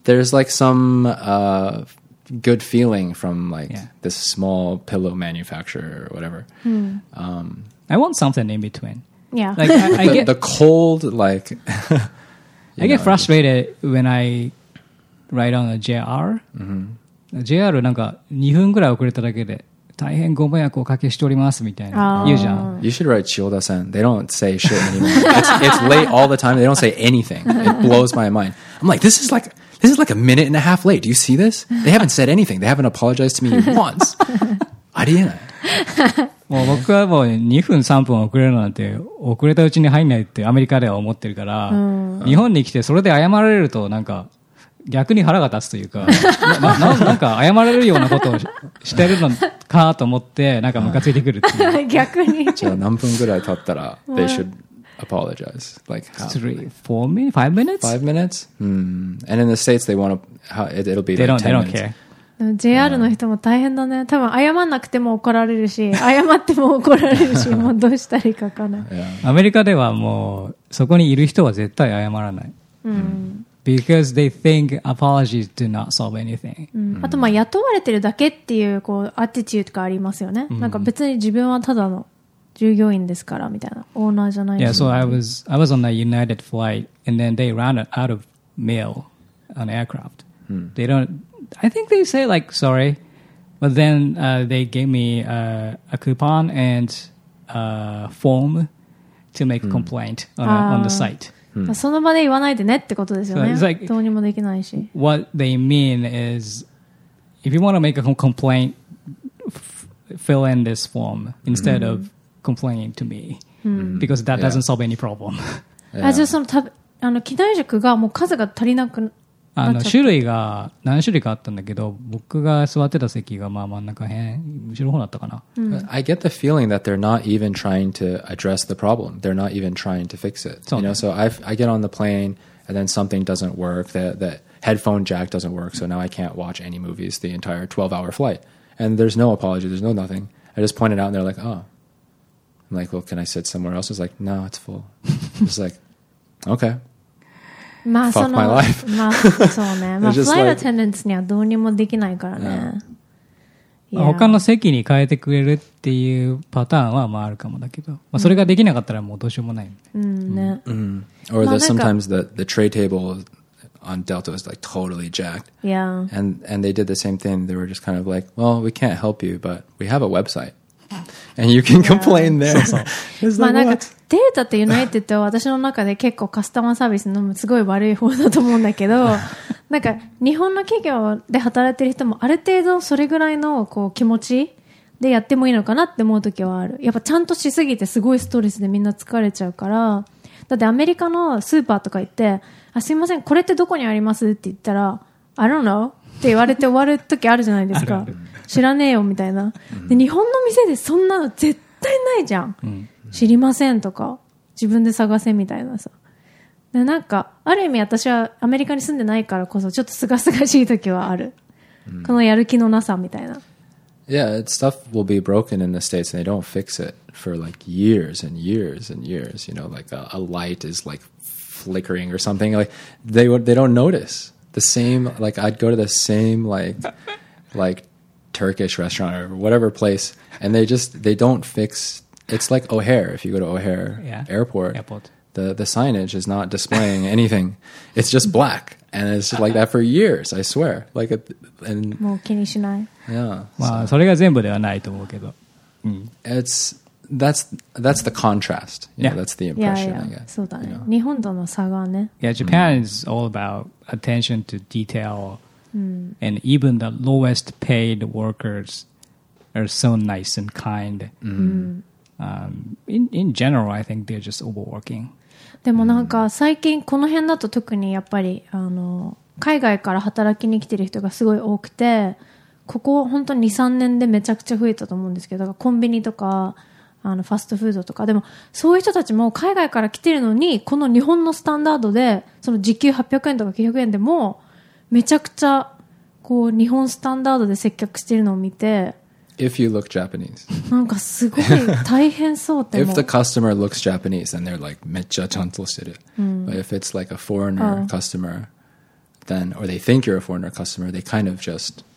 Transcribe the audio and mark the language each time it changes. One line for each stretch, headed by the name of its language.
English: There's like some good feeling from like this small pillow manufacturer or whatever. Hmm. I want something in between. Yeah. Like, I get, the cold, like... I know, get frustrated when I ride on a JR.
Japanese: JR なんか2分ぐらい遅れただけで大変ご迷惑をおかけしておりますみたいな言うじゃん。
English: You should write Chiyoda-san. They don't say shit anymore. it's late all the time. They don't say anything. It blows my mind. I'm like, this is like a minute and a half late. Do you see this? They haven't said anything. They haven't apologized to me once.
Japanese: ありえない。もう僕はもう2分3分遅れるなんて遅れたうちに入んないってアメリカでは思ってるから、日本に来てそれで謝られるとなんか逆に腹が立つというか、なんか謝られるようなことを してるのかと思ってなんかムカついてくるっていう。逆に。じゃあ何分ぐらい経ったら
English: they should apologize like how five minutes and in the states they want to how it, it'll be they like 10 they minutes. Don't care
Japanese: JR の人も大変だね多分謝んなくても怒られるし謝っても怒られるしもうどうしたらいいかかな、
English: yeah.
Japanese: アメリカではもうそこにいる人は絶対謝らない、
English: because they think apologies do not solve anything、
Japanese: あとまあ雇われてるだけっていうこうアティチュードがありますよね、なんか別に自分はただの従業員ですからみたいなオーナーじゃない
English: し。Yeah, so I was on a United flight and then they ran out of mail on aircraft.、They don't. I think they say like sorry, but then they gave me a coupon and a form to make a complaint on the site.、
Japanese: その場で言わないでねってことですよね。
English: So、like,
Japanese: どうにもできないし。
English: What they mean is, if you want to make a complaint, fill in this form instead、of. Complaining to me、because that doesn't solve any problem.
Japanese: じゃあその、あの、機内食がもう数が足りなくなっちゃった。種類が何種類かあったんだけど、僕が座ってた席がまあ真ん中辺、後ろ方だったかな。
English: I get the feeling that they're not even trying to address the problem. They're not even trying to fix it. You know, so I get on the plane and then something doesn't work. The headphone jack doesn't work. So now I can't watch any movies the entire 12-hour flight. And there's no apology. There's no nothing. I just point it out and they're like, oh. I'm like, well, can I sit somewhere else? It's like, no, it's full. It's like, okay. まあ、fuck my life.
Japanese: まあ、そうね。まあ、フライトアテンダンスにはどうにもできないからね。
English: Yeah.
Japanese: 他の席に変えてくれるっていうパターンはまああるかもだけど、まあ、それができなかったらもうどうしようもない。うん、ね。
English: Or that sometimes the tray table on Delta was like totally jacked. Yeah. And they did the same thing. They were just kind of like, well, we can't help you, but we have a website. And you can complain there.
Japanese: そうそう。
English: It's like,
Japanese: まあなんか、Delta とユナイテッドは私の中で結構カスタマーサービスのすごい悪い方だと思うんだけど、なんか日本の企業で働いてる人もある程度それぐらいのこう気持ちでやってもいいのかなって思う時はある。やっぱちゃんとしすぎてすごいストレスでみんな疲れちゃうから。だってアメリカのスーパーとか行って、あ、すいません、これってどこにありますって言ったら
English: I don't know
Japanese: って言われて終わる時あるじゃないですか。知らねえよみたいな。で、日本の店でそんなの絶対ないじゃん。知りませんとか自分で探せみたいなさ。でなんかある意味私はアメリカに住んでないからこそちょっと清々しい時はある、このやる気のなさみたいな。
English: Yeah, stuff will be broken in the States and they don't fix it for like years and years and years. You know, like a light is like flickering or something. Like they don't notice. The same, like I'd go to the same like Turkish restaurant or whatever place and they don't fix. It's like O'Hare. If you go to O'Hare Airport. The signage is not displaying anything. It's just black. And it's just like that for years, I swear. Like
Japanese: もう気にしない。
English: Yeah.
Japanese: まあ、それが全部ではないと思うけど。
English: That's the contrast. Yeah. That's the impression, I guess.
Japanese: そうだね。日本との差がね。
English: Yeah, Japan is all about attention to detail. And even the lowest paid workers are so nice and kind. In general, I think they're just overworking.
Japanese: でもなんか最近この辺だと特にやっぱり海外から働きに来てる人がすごい多くて、ここ本当に 2,3 年でめちゃくちゃ増えたと思うんですけど、コンビニとかファストフードとか。でもそういう人たちも海外から来てるのに、この日本のスタンダードでその時給800円とか900円でもめちゃくちゃこう日本スタンダードで接客してるのを見て、
English: If you look Japanese.
Japanese: なんかすごい大変そうって
English: If the customer looks Japanese, then they're like,
Japanese: めっちゃちゃんとしてる。
English: But if it's like a foreigner customer, then, or they think you're a foreigner customer, they kind of just...